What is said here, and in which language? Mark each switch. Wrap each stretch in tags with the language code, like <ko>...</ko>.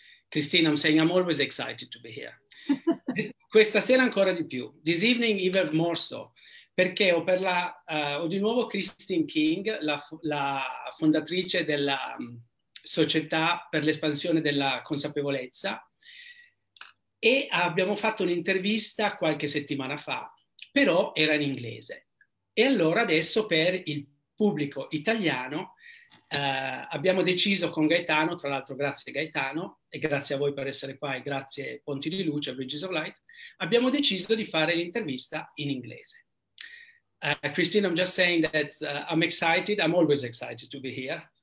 <en>Christine, I'm saying I'm always excited to be here.</en> <it>Questa sera ancora di più.</it> <en>This evening even more so.</en> <it>Perché ho di nuovo Christine King, la fondatrice della società per l'espansione della consapevolezza. E abbiamo fatto un'intervista qualche settimana fa, però era in inglese. E allora adesso per il pubblico italiano abbiamo deciso con Gaetano, tra l'altro grazie Gaetano, e grazie a voi per essere qua, e grazie Ponti di Luce, Bridges of Light, abbiamo deciso di fare l'intervista in inglese.</it> <en>Christine, I'm just saying that I'm excited, I'm always excited to be here.</en>